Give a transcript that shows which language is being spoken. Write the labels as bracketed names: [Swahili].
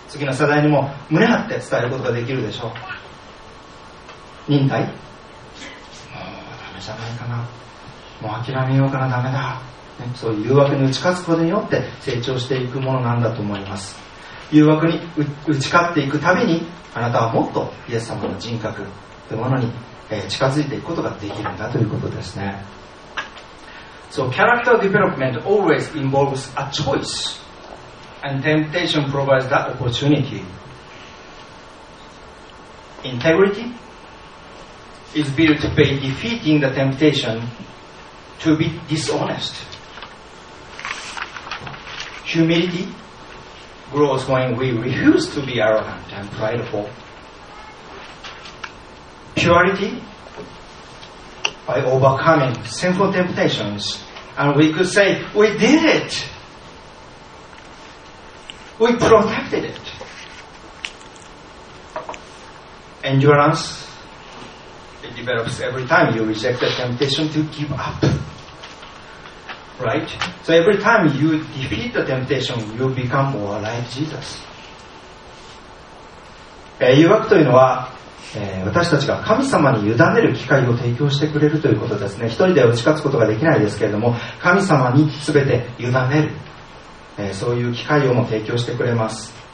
[Japanese] 次の世代にも胸張って伝えることができるでしょう。忍耐、もうダメじゃないかな、もう諦めようかな、ダメだ、ね、そういう誘惑に打ち勝つことによって成長していくものなんだと思います。誘惑に打ち勝っていくために、あなたはもっとイエス様の人格というものに近づいていくことができるんだということですね。 [English] So character development always involves a choice, and temptation provides that opportunity. Integrity is built by defeating the temptation to be dishonest. Humility grows when we refuse to be arrogant and prideful. Purity by overcoming sinful temptations. And we could say, we did it. We protected it. Endurance, it develops every time you reject the temptation to give up. Right? So every time you defeat the temptation, you become more like Jesus. [Japanese] 誘惑というのは、私たちが神様に委ねる機会を提供してくれるということですね。一人で打ち勝つことができないですけれども、神様に全て委ねる、そういう機会をも提供してくれます。